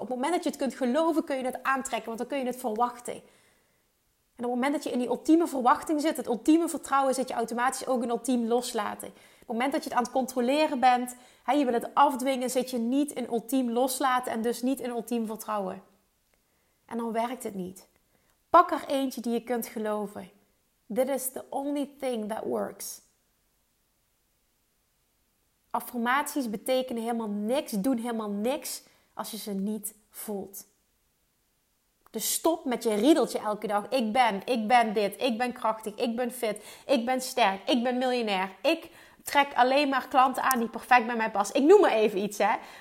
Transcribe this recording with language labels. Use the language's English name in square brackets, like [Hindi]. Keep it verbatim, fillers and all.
[Dutch] Op het moment dat je het kunt geloven, kun je het aantrekken. Want dan kun je het verwachten. En op het moment dat je in die ultieme verwachting zit, het ultieme vertrouwen, zit je automatisch ook een ultiem loslaten. Op het moment dat je het aan het controleren bent, hè, je wil het afdwingen, zit je niet in ultiem loslaten en dus niet in ultiem vertrouwen. En dan werkt het niet. Pak er eentje die je kunt geloven. [English] This is the only thing that works. [Dutch] Affirmaties betekenen helemaal niks, doen helemaal niks als je ze niet voelt. Dus stop met je riedeltje elke dag. Ik ben, ik ben dit, ik ben krachtig, ik ben fit, ik ben sterk, ik ben miljonair. Ik trek alleen maar klanten aan die perfect bij mij passen. Ik noem maar even iets, hè.